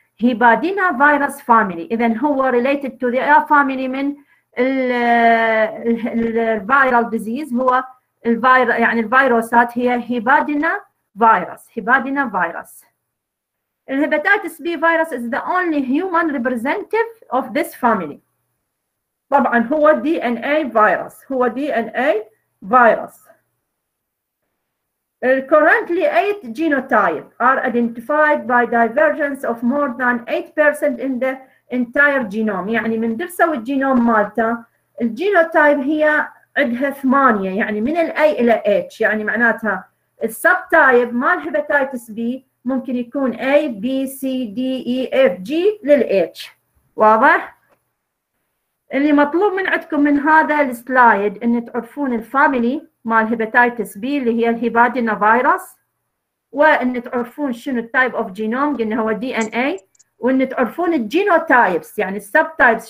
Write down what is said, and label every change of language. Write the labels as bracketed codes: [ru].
[ar] هيبادينا فيروس فاميلي، اذا هو [en] related to the family [ar] من الفايرال ديزيز، هو الفيروس يعني الفيروسات هي هيبادينا فيروس. [en] Hepadnavirus الهيباتيتس B virus is the only human representative of this family. [ar] طبعا هو دي ان اي فيروس، هو دي ان اي فيروس. [en] Currently, 8 genotypes are identified by divergence of more than 8% in the entire genome. [ar] يعني من درسوا الجينوم مالته، الجينوتايب هي عندها 8، يعني من الـ A إلى H، يعني معناتها الـ subtype مال hepatitis B ممكن يكون A, B, C, D, E, F, G للـ H. واضح؟ اللي مطلوب من عندكم من هذا السلايد ان تعرفون الفاميلي مال هيباتيتس بي اللي هي الهيبادينا فيروس، وان تعرفون شنو [en] التايب of genome [ar] قلنا هو دي ان اي، وان تعرفون الجينوتايبس يعني السب تايبس.